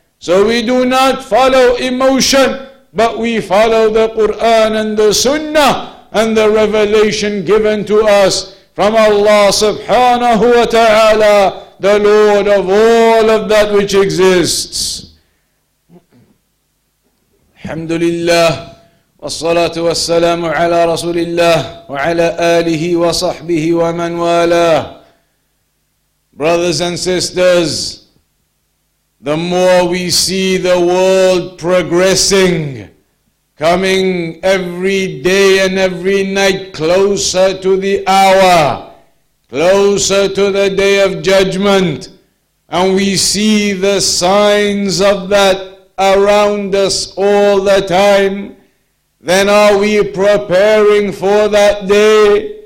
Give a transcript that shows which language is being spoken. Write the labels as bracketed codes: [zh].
[en] So we do not follow emotion, but we follow the Quran and the Sunnah and the revelation given to us from Allah subhanahu wa ta'ala, the Lord of all of that which exists. [ar] Alhamdulillah. والصلاة والسلام على رسول الله وعلى آله وصحبه ومن والاه. [en] Brothers and sisters, the more we see the world progressing, coming every day and every night closer to the hour, closer to the day of judgment, and we see the signs of that around us all the time, then are we preparing for that day?